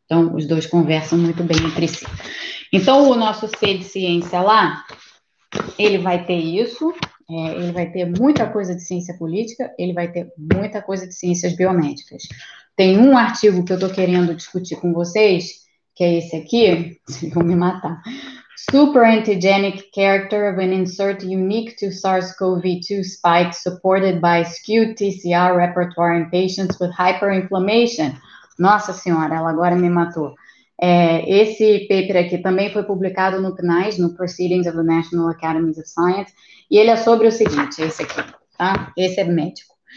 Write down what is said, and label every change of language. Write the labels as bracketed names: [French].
[Portuguese] Então, os dois conversam muito bem entre si. Então, o nosso C de Ciência lá, ele vai ter isso. Ele vai ter muita coisa de ciência política, ele vai ter muita coisa de ciências biomédicas. Tem um artigo que eu estou querendo discutir com vocês, que é esse aqui, vão me matar. [English] Super antigenic character of an insert unique to SARS-CoV-2 spike supported by skewed TCR repertoire in patients with hyperinflammation. [Portuguese] Nossa senhora, ela agora me matou. Esse paper aqui também foi publicado no PNAS, no Proceedings of the National Academies of Science, e ele é sobre o seguinte, esse aqui, tá? Esse é médico.